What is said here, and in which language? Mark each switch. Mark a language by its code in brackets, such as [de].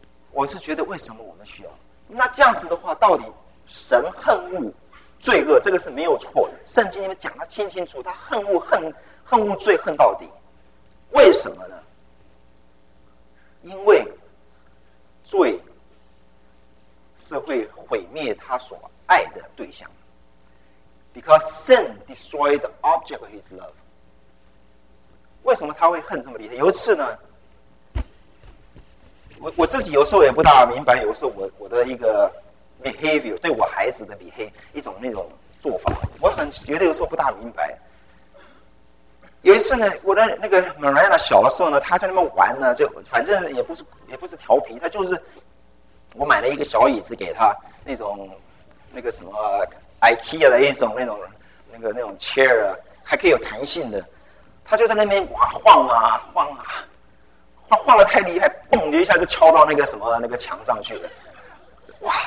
[zh] 我是觉得为什么我们需要？那这样子的话，到底神恨恶罪恶，这个是没有错的。圣经里面讲得清清楚，他恨恶罪恨到底，为什么呢？因为。罪是会毁灭他所爱的对象。 [en] Because sin destroyed the object of his love. [zh] 为什么他会恨这么厉害？有一次呢， 我自己有时候也不大明白，有时候我的一个 behavior， 对我孩子的 behavior 一种那种做法，我很觉得有时候不大明白。有一次呢，我的那个 Mariana 小的时候呢，她在那边玩呢，就反正也不是调皮，她就是我买了一个小椅子给她，那种那个什么 IKEA 的一种那种 chair， 还可以有弹性的，她就在那边哇晃啊晃啊晃，晃得太厉害，蹦一下就敲到那个什么那个墙上去了，哇！